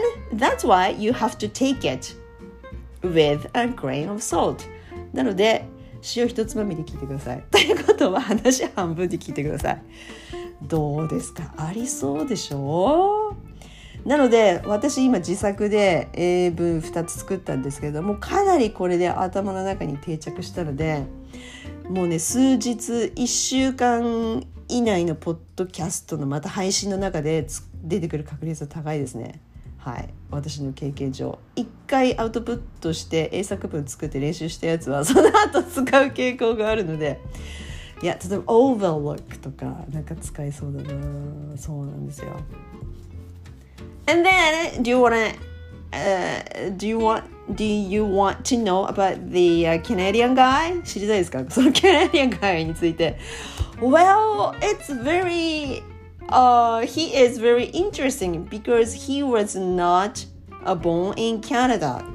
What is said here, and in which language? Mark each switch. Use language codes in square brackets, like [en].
[en] Then, that's why you have to take it with a grain of salt. [ja] なので、塩ひとつまみで聞いてください。ということは、話半分で聞いてください。どうですか？ありそうでしょう？なので、私今自作で英文2つ作ったんですけども、かなりこれで頭の中に定着したので、もうね、数日、1週間以内のポッドキャストのまた配信の中で出てくる確率は高いですね。はい、私の経験上一回アウトプットして英作文作って練習したやつはその後使う傾向があるので、いや、例えば overlook とかなんか使えそうだな。そうなんですよ。 [en] And then do you want to know about the Canadian guy? [ja] 知りたいですか、その [en] Canadian guy [ja] について。 [en] Well, it's very, he is very interesting because he was not born in Canada.